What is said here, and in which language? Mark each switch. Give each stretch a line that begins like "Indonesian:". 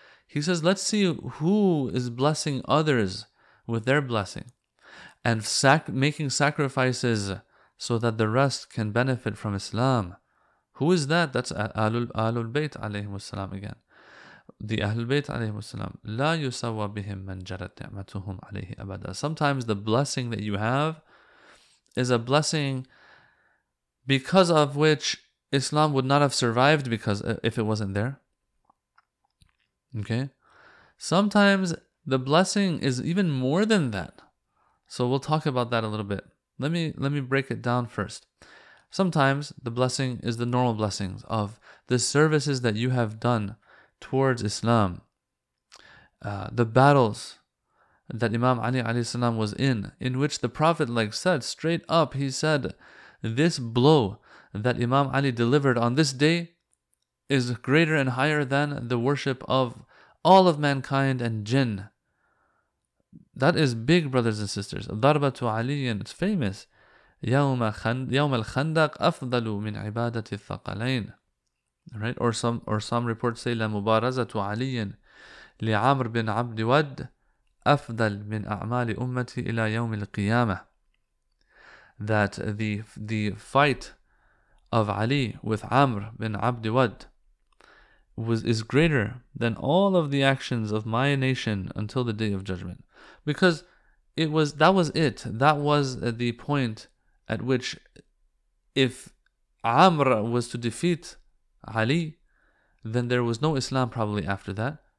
English: He says, let's see who is blessing others with their blessing and making sacrifices so that the rest can benefit from Islam. Who is that? That's Ahlul Bayt alayhi wasalam again. The Ahlul Bayt alayhi wasalam.
Arabic: لا يسوى بهم من جرت نعمتهم عليه أبدا.
English: Sometimes the blessing that you have is a blessing because of which Islam would not have survived, because if it wasn't there. Okay? Sometimes the blessing is even more than that. So we'll talk about that a little bit. Let me break it down first. Sometimes the blessing is the normal blessings of the services that you have done towards Islam, the battles that Imam Ali alayhi salam was in which the Prophet like said straight up, he said, this blow that Imam Ali delivered on this day is greater and higher than the worship of all of mankind and jinn. That is big, brothers and sisters. Darba to Ali, and it's famous.
Arabic: يوم الخندق أفضل من عبادة الثقلين.
English: Right? Or some reports say
Arabic: لمبارزة علي لعمر بن عبد ود أفضل من أعمال أمتي إلى يوم القيامة.
English: That the fight of Ali with Amr bin Abd Wad is greater than all of the actions of my nation until the Day of Judgment. Because that was it. That was the point at which if Amr was to defeat Ali, then there was no Islam probably after that.